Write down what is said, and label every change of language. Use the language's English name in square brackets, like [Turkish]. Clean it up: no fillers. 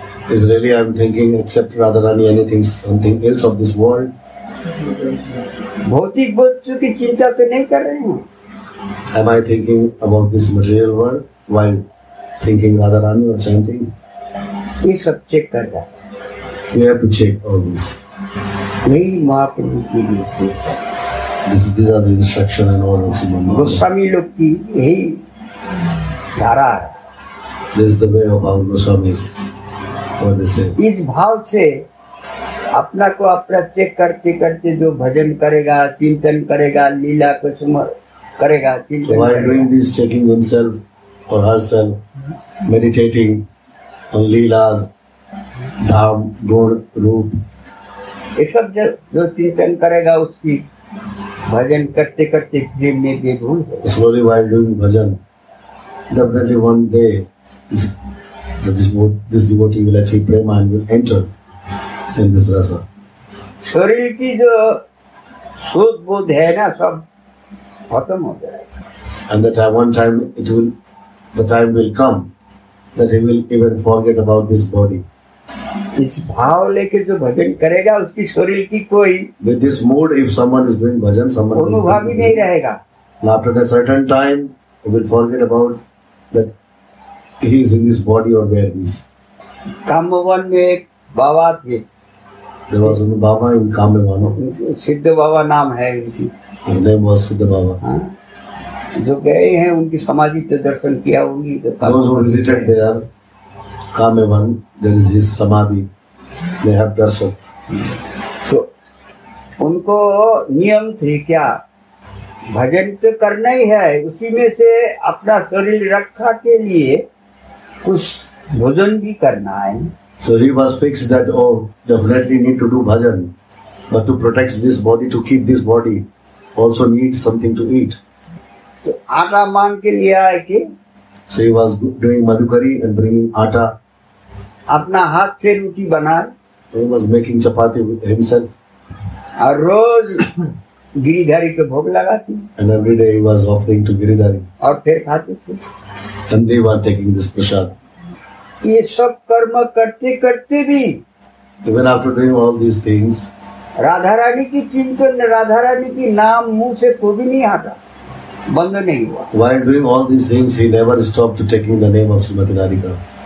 [English] Is really I am thinking except Radharani anything something else of this world. [Hindi] भौतिक वस्तु की चिंता तो नहीं कर रहे हैं. [English] Am I thinking about this material world while thinking Radharani or chanting? [Hindi] ये सब चेक कर रहा है. [English] You have to check all this. [Hindi] यही महाप्रभु की निर्देश है. [English] This is these are the instruction and all of Srimad Mahaprabhu. [Hindi] Goswami लोग की यही धारा है. [English] This is the way of our Goswamis. What they say. [Hindi] इस भाव से अपना को अपना चेक करते करते जो भजन करेगा चिंतन करेगा लीला को स्मर करेगा चिंतन करेगा. [English] So while doing this, checking himself or herself, meditating on leelas, dham, gun, roop. [Hindi] ये सब जो चिंतन करेगा उसकी भजन करते करते प्रेम में भी भूल [English] Slowly while doing bhajan, definitely one day this devotee will achieve prema and will enter in this rasa. [Hindi] शरीर की जो शुद्ध बुद्ध है ना सब खत्म हो जाएगा. [English] And that one time it will, the time will come that he will even forget about this body. [Hindi] इस भाव लेके जो भजन करेगा उसकी शरीर की कोई [English] With this mood, if someone is doing bhajan, someone [Hindi] कोई भाव ही नहीं रहेगा. [English] Now after a certain time, he will forget about that he is in this body or where he is. [Hindi] Kamvan में एक बाबा थे. [English] There was one Baba in Kamavan. [Hindi] सिद्ध बाबा नाम है उनकी. [English] His name was Siddha Baba. [Hindi] जो गए हैं उनकी समाधि तो दर्शन किया होगी. [English] Those who visited there. Kamavan, there is his samadhi. They have darshan. [Hindi] So, उनको नियम थे क्या? भजन तो करना ही है. उसी में से अपना शरीर रखा के लिए कुछ भोजन भी करना है. [English] So he was fixed that oh, definitely need to do bhajan, but to protect this body, to keep this body, also need something to eat. [Hindi] तो आटा मांग के लिए आए कि? [English] So he was doing madhukari and bringing आटा. [Hindi] अपना हाथ से रोटी बनाए. [English] He was making chapati with himself. [Hindi] और रोज गिरिधारी को भोग लगाती. [English] And every day he was offering to Giridhari. [Hindi] और फिर खाते थे. [English] And they were taking this prasad. [Hindi] ये सब कर्म करते करते भी. [English] Even after doing all these things. [Hindi] Radharani की चिंतन राधारानी की नाम मुंह से कभी नहीं हटा. बंद नहीं हुआ. [English] While doing all these things, he never stopped to taking the name of Srimati Radhika.